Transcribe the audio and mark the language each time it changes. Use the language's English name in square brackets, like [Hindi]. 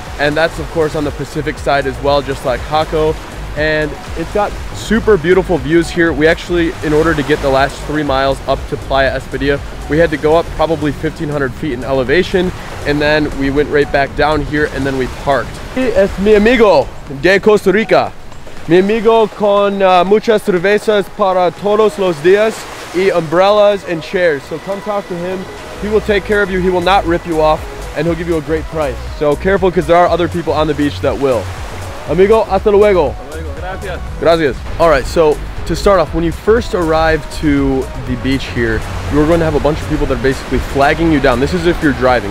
[English] And that's of course on the Pacific side as well, just like Jaco. And it's got super beautiful views here. We actually, in order to get the last 3 miles up to Playa Espadilla, we had to go up probably 1500 feet in elevation. And then we went right back down here and then we parked. [Spanish] Es mi amigo de Costa Rica. Mi amigo con muchas cervezas para todos los días y [English] umbrellas and chairs. So come talk to him. He will take care of you. He will not rip you off and he'll give you a great price. So careful because there are other people on the beach that will. [Spanish] Amigo, hasta luego. Hasta luego. Gracias. Gracias. [English] All right, so to start off, when you first arrive to the beach here, you're going to have a bunch of people that are basically flagging you down. This is if you're driving.